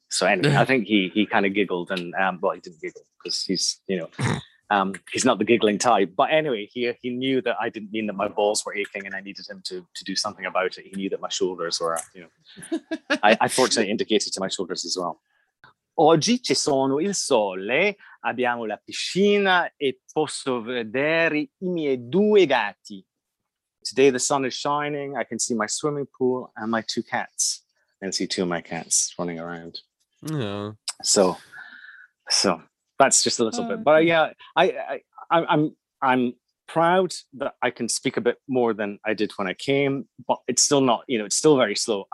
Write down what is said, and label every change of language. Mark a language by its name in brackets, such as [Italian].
[English] So anyway, I think he kind of giggled, and well, he didn't giggle because he's, you know, he's not the giggling type. But anyway, he knew that I didn't mean that my balls were aching and I needed him to do something about it. He knew that my shoulders were, you know, I fortunately indicated to my shoulders as well. [Italian] Oggi ci sono il sole, abbiamo la piscina e posso vedere i miei due gatti. [English] Today the sun is shining, I can see my swimming pool and my two cats. And see two of my cats running around. Yeah. So. That's just a little bit, but I'm proud that I can speak a bit more than I did when I came, but it's still not, you know, it's still very slow.